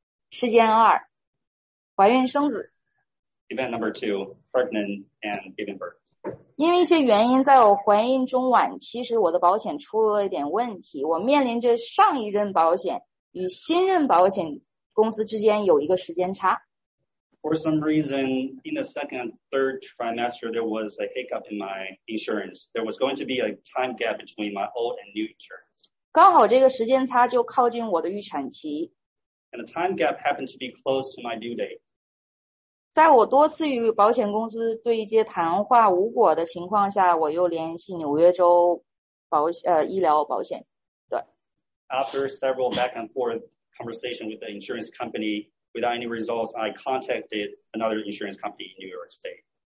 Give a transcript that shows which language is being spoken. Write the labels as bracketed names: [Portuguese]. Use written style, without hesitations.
[Chinese] 事件二，怀孕生子。 [English] Event number two, pregnant and giving birth. [Chinese] 因为一些原因，在我怀孕中晚期，其实我的保险出了一点问题。我面临着上一任保险与新任保险公司之间有一个时间差。 [English] For some reason, in the second, third trimester, there was a hiccup in my insurance. There was going to be a time gap between my old and new insurance. [Chinese] 刚好这个时间差就靠近我的预产期。 [English] And the time gap happened to be close to my due date. [Chinese] 在我多次与保险公司对接谈话无果的情况下，我又联系纽约州保医疗保险。对。 [English] After several back and forth conversation with the insurance company, without any results, I contacted another insurance company in New York State.